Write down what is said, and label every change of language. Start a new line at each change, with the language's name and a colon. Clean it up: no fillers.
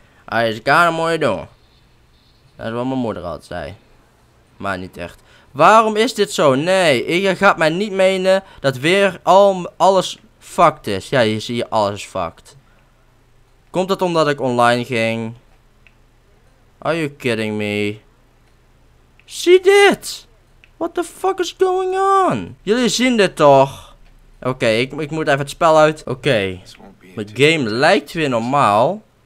Dutch: Als je kan, moet je doen. Dat is wat mijn moeder altijd zei. Maar niet echt. Waarom is dit zo? Nee, je gaat mij niet menen dat weer alles fucked is. Ja, je ziet alles is fucked. Komt dat omdat ik online ging?
English: Are you kidding me?
Dutch: Zie dit!
English: What the fuck is going on?
Dutch: Jullie zien dit toch? Oké, ik moet even het spel uit. Oké, mijn game lijkt weer normaal.